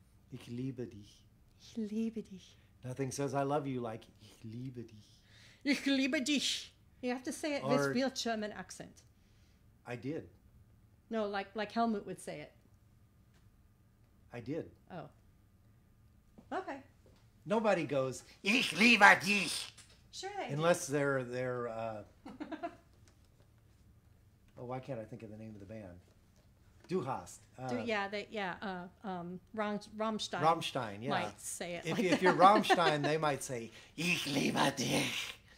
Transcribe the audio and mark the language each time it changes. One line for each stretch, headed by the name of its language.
German: Ich liebe dich. Ich liebe dich.
English: Nothing says I love you like
German: ich liebe dich. Ich liebe dich.
English: You have to say it with real German accent. I did. No, like Helmut would say it. I did. Oh. Okay. Nobody goes,
German: ich liebe dich.
English: Sure they Unless do. they're why can't I think of the name of the band?
German: Du hast.
English: Rammstein. Rammstein, yeah. Might say it. If you're Rammstein, they might say
German: ich liebe dich.